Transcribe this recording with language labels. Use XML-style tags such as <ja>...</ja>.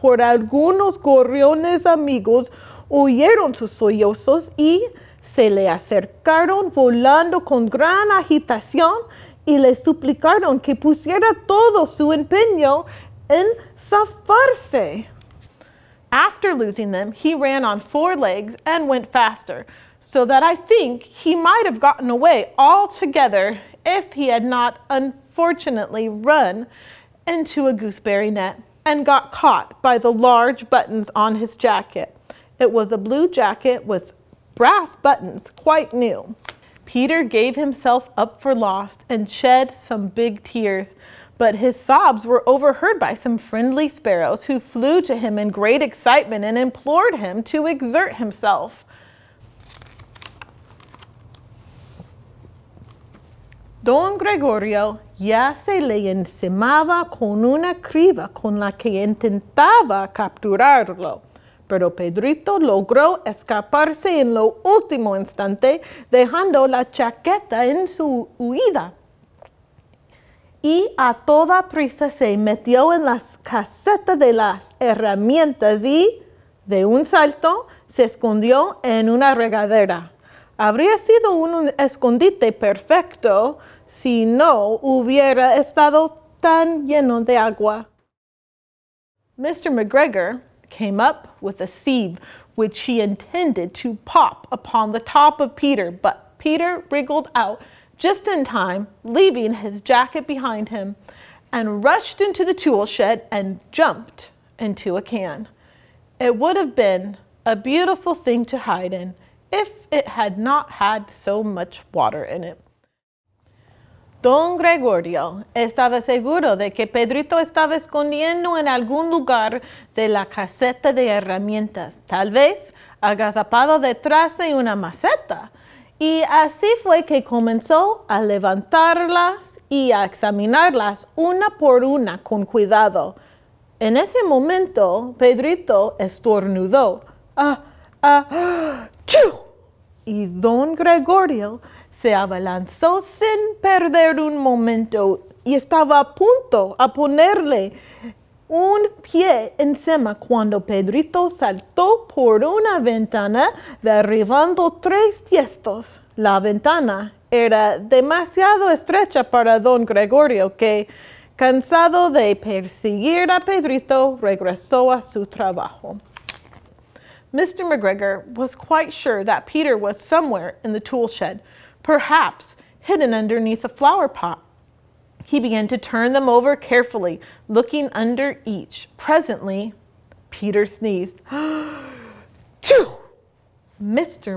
<es>Por algunos gorriones amigos oyeron sus sollozos y se le acercaron volando con gran agitación y le suplicaron que pusiera todo su empeño en zafarse.</es> <en>After losing them, he ran on four legs and went faster, so that I think he might have gotten away altogether if he had not unfortunately run into a gooseberry net and got caught by the large buttons on his jacket. It was a blue jacket with brass buttons, quite new. Peter gave himself up for lost and shed some big tears, but his sobs were overheard by some friendly sparrows who flew to him in great excitement and implored him to exert himself.</en> <es>Don Gregorio ya se le encimaba con una criba con la que intentaba capturarlo. Pero Pedrito logró escaparse en lo último instante, dejando la chaqueta en su huida. Y a toda prisa se metió en la caseta de las herramientas y, de un salto, se escondió en una regadera. Habría sido un escondite perfecto si no hubiera estado tan lleno de agua.</es> <en>Mr. McGregor came up with a sieve, which he intended to pop upon the top of Peter, but Peter wriggled out just in time, leaving his jacket behind him, and rushed into the tool shed and jumped into a can. It would have been a beautiful thing to hide in if it had not had so much water in it.</en> <es>Don Gregorio estaba seguro de que Pedrito estaba escondiendo en algún lugar de la caseta de herramientas, tal vez agazapado detrás de una maceta. Y así fue que comenzó a levantarlas y a examinarlas una por una con cuidado. En ese momento, Pedrito estornudó. ¡Ah! ¡Ah! ¡Chu! Y Don Gregorio se abalanzó sin perder un momento y estaba a punto a ponerle un pie encima cuando Pedrito saltó por una ventana derribando tres tiestos. La ventana era demasiado estrecha para Don Gregorio que, cansado de perseguir a Pedrito, regresó a su trabajo.</es> <en>Mr. McGregor was quite sure that Peter was somewhere in the tool shed, perhaps hidden underneath a flower pot. He began to turn them over carefully, looking under each. Presently, Peter sneezed. Choo! Mr.</en>